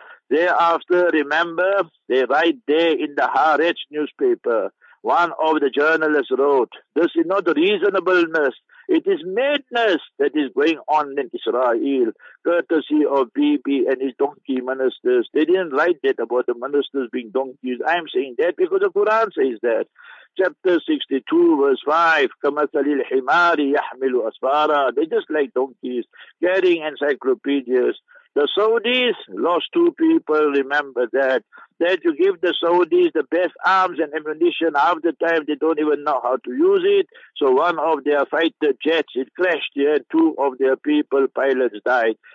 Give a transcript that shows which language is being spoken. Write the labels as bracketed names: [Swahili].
[English] Thereafter, remember, they write there in the Haaretz newspaper, one of the journalists wrote, this is not reasonableness, it is madness that is going on in Israel, courtesy of Bibi and his donkey ministers. They didn't write that about the ministers being donkeys. I'm saying that because the Quran says that. Chapter 62, verse 5, [Arabic] كَمَثَلِ الْحِمَارِ يَحْمِلُ أَسْفَارًا. [English] They're just like donkeys, carrying encyclopedias. The Saudis lost two people, remember that. That you give the Saudis the best arms and ammunition, half the time they don't even know how to use it. So one of their fighter jets, it crashed here, and two of their people, pilots, died.